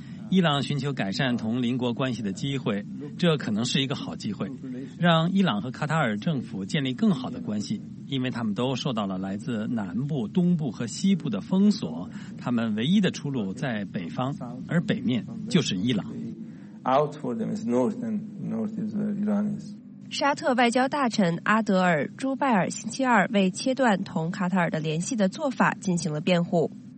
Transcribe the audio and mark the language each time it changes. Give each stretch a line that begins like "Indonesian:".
Chinese: 伊朗寻求改善同邻国关系的机会，这可能是一个好机会，让伊朗和卡塔尔政府建立更好的关系，因为他们都受到了来自南部、东部和西部的封锁，他们唯一的出路在北方，而北面就是伊朗。
English: Out for them is north, and north is the Iranians.
Chinese: 沙特外交大臣阿德尔·朱拜尔星期二为切断同卡塔尔的联系的做法进行了辩护。